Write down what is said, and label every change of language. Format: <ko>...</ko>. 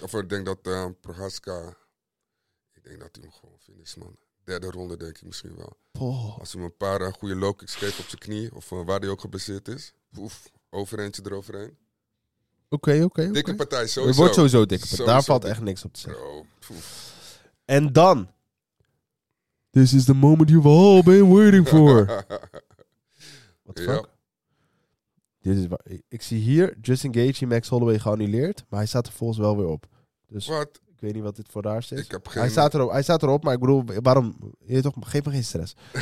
<nl>Of ik denk dat Prochazka... Ik denk dat hij hem gewoon finish, man. Derde ronde, denk ik misschien wel. Oh. Als hij hem een paar goede low kicks geeft op zijn knie... Of waar hij ook geblesseerd is. Oef, overeentje eroverheen. Oké. Dikke partij, sowieso. Het wordt sowieso dikke partij. Daar valt echt niks op te zeggen. Bro, en dan...</nl> <en>This is the moment you've all been waiting for.</en> <nl>Dit is ik zie hier Justin Gaethje, Max Holloway geannuleerd, maar hij staat er volgens wel weer op. Dus wat? Ik weet niet wat dit voor raars is. Ik heb geen... Hij staat erop, maar ik bedoel, waarom? Je toch, geef me geen stress.</nl>